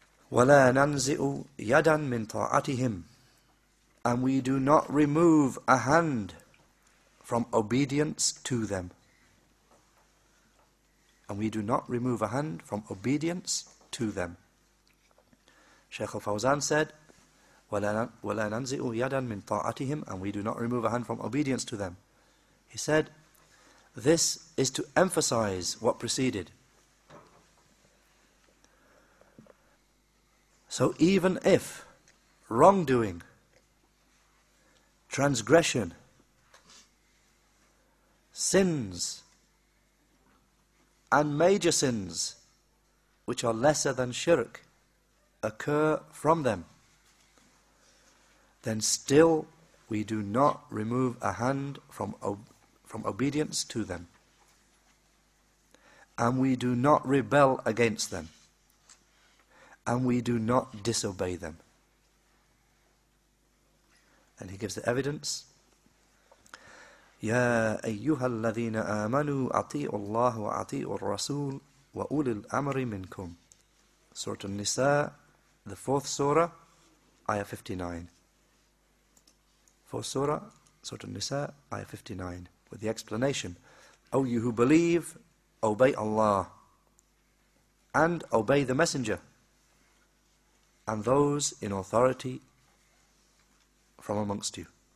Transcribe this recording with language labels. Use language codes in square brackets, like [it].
[ar] وَلَا نَنْزِئُ يَدًا مِنْ طَاعَتِهِمْ. [en] And we do not remove a hand from obedience to them. And we do not remove a hand from obedience to them. Shaykh al-Fawzan said, [ar] وَلَا نَنْزِئُ يَدًا مِنْ طَاعَتِهِمْ. [en] And we do not remove a hand from obedience to them. He said, this is to emphasize what preceded. So even if wrongdoing, transgression, sins, and major sins, which are lesser than shirk, occur from them, then still we do not remove a hand from obedience to them. And we do not rebel against them. And we do not disobey them. And he gives the evidence. [ar] يَا أَيُّهَا الَّذِينَ آمَنُوا أَطِيعُوا اللَّهُ وَأَطِيعُوا الرَّسُولُ وَأُولِي الْأَمْرِ مِنْكُمْ [en] Surah An-Nisa, the fourth surah, ayah 59. Fourth surah, Surah An-Nisa, ayah 59, with the explanation, O you who believe, obey Allah, and obey the Messenger, and those in authority from amongst you.